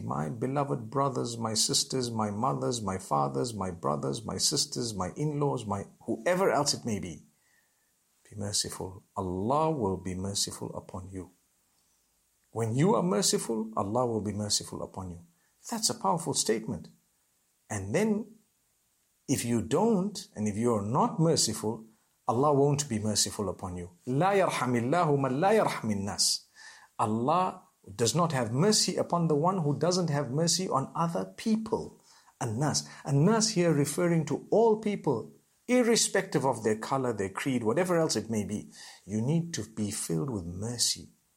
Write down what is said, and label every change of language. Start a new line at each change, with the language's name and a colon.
English: My beloved brothers, my sisters, my mothers, my fathers, my brothers, my sisters, my in-laws, my whoever else it may be. Be merciful. Allah will be merciful upon you. When you are merciful, Allah will be merciful upon you. That's a powerful statement. And then, if you don't, and if you are not merciful, Allah won't be merciful upon you.
Arabic: لا يرحم الله من لا يرحم الناس.
English: Allah does not have mercy upon the one who doesn't have mercy on other people.
Arabic: الناس.
English: الناس here referring to all people, irrespective of their color, their creed, whatever else it may be. You need to be filled with mercy.